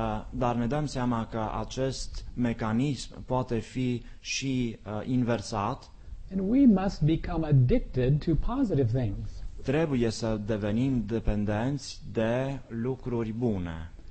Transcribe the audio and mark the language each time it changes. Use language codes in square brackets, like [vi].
[ro] Dar ne dăm seama că acest mecanism poate fi și inversat. [en] And we must become addicted to positive things. [ro] Trebuie să devenim dependenți de lucruri bune.